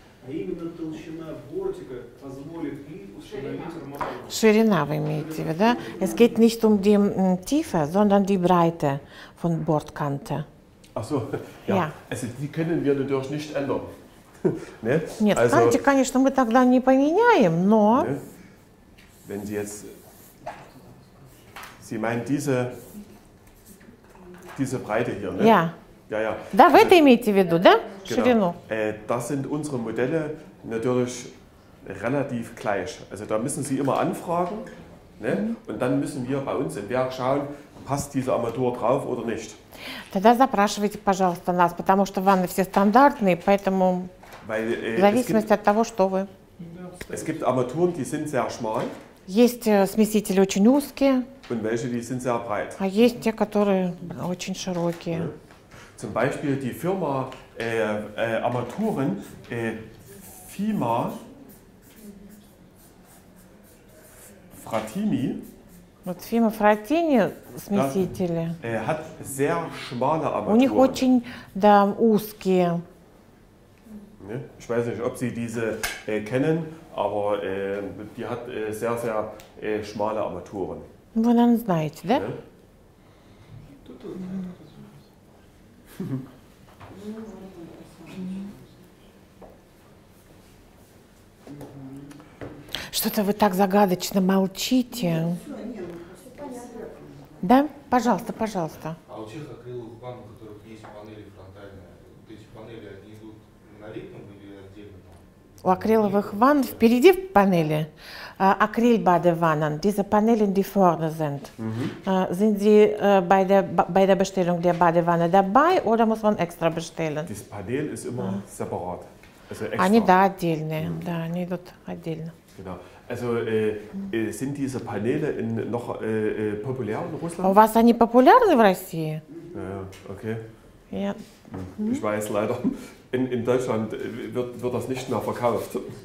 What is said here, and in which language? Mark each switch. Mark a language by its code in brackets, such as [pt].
[ru] а именно толщина бортика позволит и установить арматуру. Ширина вы имеете в виду? [de] Es geht nicht um die Tiefe, sondern die Breite von Bordkante. Ach so, ja. Also die können wir natürlich nicht ändern. [ru] Нет, also, кстати, конечно, мы тогда не поменяем, но... [de] Wenn Sie jetzt... Sie meinen diese... Diese Breite hier, ne? Ja. Ja, ja. [ru] Da, вы это имеете в виду, да? Ширину. [de] Das sind unsere Modelle natürlich relativ gleich. Also da müssen Sie immer anfragen, ne? Und dann müssen wir bei uns im Werk schauen, passt diese Armatur drauf oder nicht. [ru] Тогда запрашивайте, пожалуйста, нас, потому что ванны все стандартные, поэтому... [de] Weil, [ru] в зависимости от того, что вы. [de] Es gibt Armaturen, die sind sehr schmal. [ru] Есть смесители очень узкие. [de] Und welche, die sind sehr breit. [ru] А есть те, которые очень широкие. [de] Ja. Zum Beispiel die Firma Armaturen Fima Frattini. [ru] Вот Fima Frattini смесители. [de] Hat sehr schmale Armaturen. [ru] У них очень, да, узкие. [de] Ich weiß nicht, ob Sie diese kennen, aber die hat sehr, sehr schmale Armaturen. [ru] Вы нам знаете, да? Что-то вы так загадочно молчите. Да? Пожалуйста, пожалуйста. А у тех акриловых ванн, у которых есть панели фронтальные, вот эти панели, они идут на ритм? У акриловых ванн впереди в панели Акрильбадеваннен, [de] diese Panelen, die vorne sind. Sind sie bei der Bestellung der Badewanne dabei oder muss man extra bestellen? Das Panel ist immer separat. Also extra. [ru] Они, да, отдельные. Да, они идут отдельно. [de] Genau. Also sind diese Paneele noch populär in Russland? [ru] У вас они популярны в России? [de] Okay. Ja. Ich weiß leider. In Deutschland wird das nicht mehr verkauft.